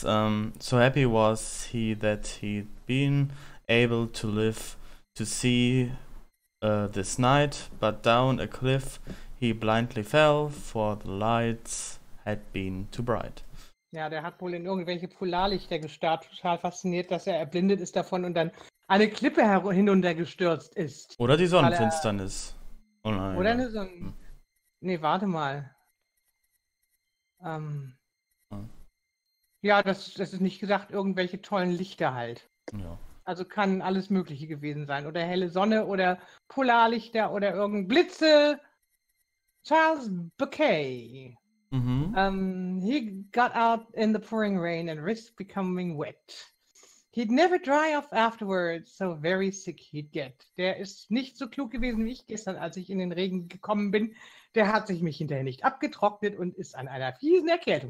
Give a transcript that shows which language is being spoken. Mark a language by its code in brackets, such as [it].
[en] So happy was he that he'd been able to live to see this night. But down a cliff he blindly fell, for the lights had been too bright. [de] Ja, der hat wohl in irgendwelche Polarlichter gestarrt. Total fasziniert, dass er erblindet ist davon und dann eine Klippe hinuntergestürzt ist. Oder die Sonnenfinsternis. Oh nein. Oder eine Sonne. Nee, warte mal. Ja, das ist nicht gesagt, irgendwelche tollen Lichter halt. Ja. Also kann alles Mögliche gewesen sein. Oder helle Sonne oder Polarlichter oder irgendein Blitze. Charles Bouquet. Mhm. [en] He got out in the pouring rain and risked becoming wet. He'd never dry off afterwards, so very sick he'd get. [de] Der ist nicht so klug gewesen wie ich gestern, als ich in den Regen gekommen bin. Der hat sich mich hinterher nicht abgetrocknet und ist an einer fiesen Erkältung